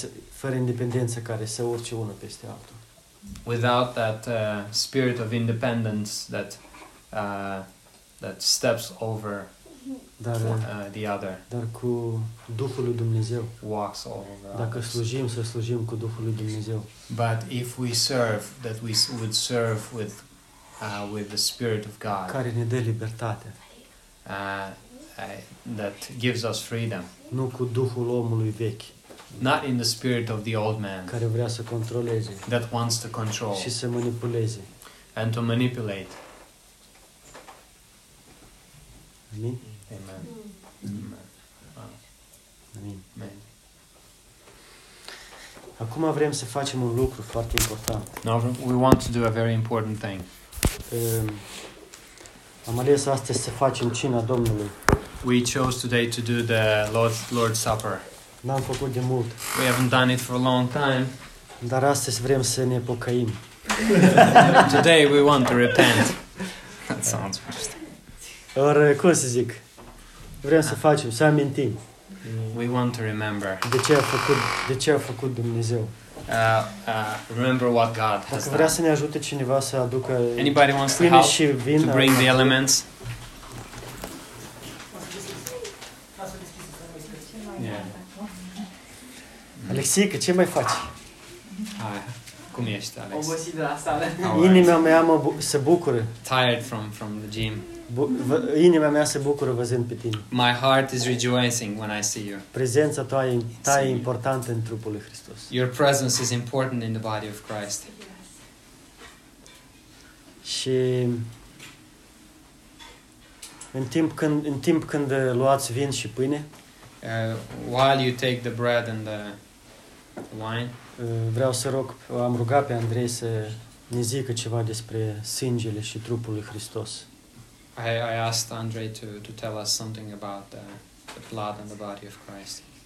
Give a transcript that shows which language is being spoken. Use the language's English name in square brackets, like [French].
[Romanian] Fără independență care să urce unul peste altul. [English] Without that spirit of independence that steps over the other. [Romanian] Dar cu Duhul lui Dumnezeu. [English] Walks all over. [Romanian] Dacă slujim, să slujim cu Duhul lui Dumnezeu. [English] But if we serve, that we would serve with the Spirit of God. [Romanian] Care ne dă libertate. [English] That gives us freedom. [Romanian] Nu cu Duhul omului vechi. [English] Not in the spirit of the old man. [Romanian] Care vrea să controleze. [English] That wants to control. [Romanian] Și să manipuleze. [English] And to manipulate. [Romanian] Amin. [English] Amen. Amen. Amen. [Romanian] Acum vrem să facem un lucru foarte important. [English] Now we want to do a very important thing. [Romanian] Am ales astăzi să facem cina Domnului. [English] We chose today to do the Lord's Supper. [Romanian] N-am făcut de mult. [English] We haven't done it for a long time. [Romanian] Dar astăzi vrem să ne pocăim. [English] Today we want to repent. That sounds interesting. [Romanian] Or, cum să zic? Vrem să facem, să amintim. [English] We want to remember. [Romanian] De ce a făcut Dumnezeu? [English] Remember what God has done. [Romanian] Vrea să ne ajute cineva să aducă. [English] Anybody wants to help to bring the elements? [Romanian] Alexica, ce mai faci? Hai, cum ești, Alex? Obosit de la sală. Inima mea se bucură. [English] Tired from the gym. [Romanian] Inima mea se bucură văzând pe tine. [English] My heart is rejoicing when I see you. [Romanian] Prezența ta e importantă în trupul lui Hristos. [English] Your presence is important in the body of Christ. [Romanian] Și în timp când luați vin și pâine, [English] While you take the bread and the wine, [Romanian] vreau să rog, am rugat pe Andrei să ne zică ceva despre sângele și trupul lui Hristos. [English] I asked Andrei to tell us something about the blood and the body of Christ.